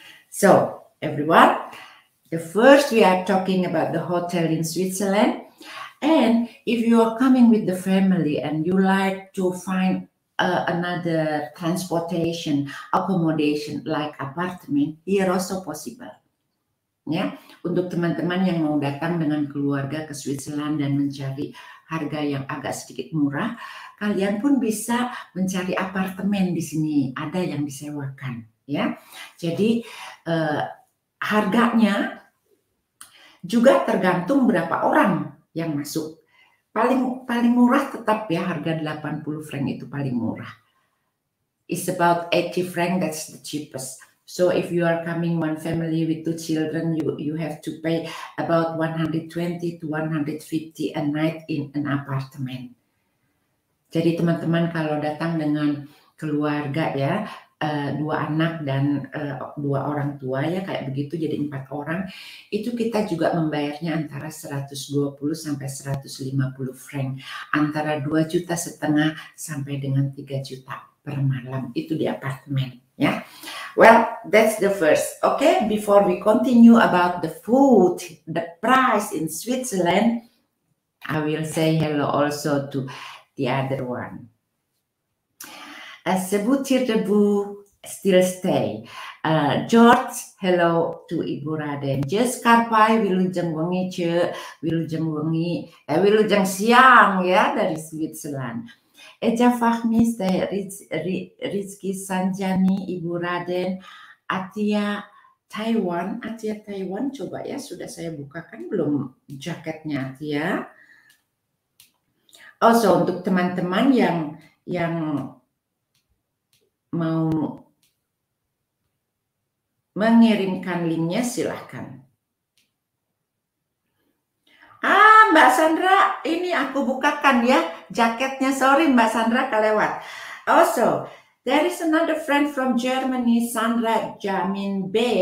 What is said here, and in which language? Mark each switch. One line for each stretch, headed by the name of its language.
English: So, everyone, the first we are talking about the hotel in Switzerland. And if you are coming with the family and you like to find another transportation, accommodation like apartemen, here also possible.
Indonesian: Ya, untuk teman-teman yang mau datang dengan keluarga ke Switzerland dan mencari harga yang agak sedikit murah, kalian pun bisa mencari apartemen di sini, ada yang disewakan, ya. Jadi harganya juga tergantung berapa orang yang masuk. Paling paling murah tetap ya harga 80 franc itu paling murah.
English: It's about 80 franc, that's the cheapest. So if you are coming one family with two children, you have to pay about 120 to 150 a night in an apartment.
Indonesian: Jadi teman-teman kalau datang dengan keluarga ya, dua anak dan dua orang tua ya, kayak begitu jadi empat orang, itu kita juga membayarnya antara 120 sampai 150 franc, antara 2 juta setengah sampai dengan 3 juta per malam, itu di apartemen ya.
English: Well, that's the first. Okay, before we continue about the food, the price in Switzerland, I will say hello also to the other one. Sebutir debu still stay. George, hello to Ibu Raden.
Sundanese: Just karpai wilujeng wengi ce, wilujeng wengi, wilujeng siang ya dari Switzerland.
Indonesian: Eja Fahmi, Rizki Sanjani, Ibu Raden, Atia Taiwan. Atia Taiwan, coba ya, sudah saya bukakan belum jaketnya Atia. Oh, so untuk teman-teman yang mau mengirimkan linknya silahkan. Ah, Mbak Sandra, ini aku bukakan ya jaketnya. Sorry Mbak Sandra, kelewat.
English: Also, there is another friend from Germany, Sandra Jamin B.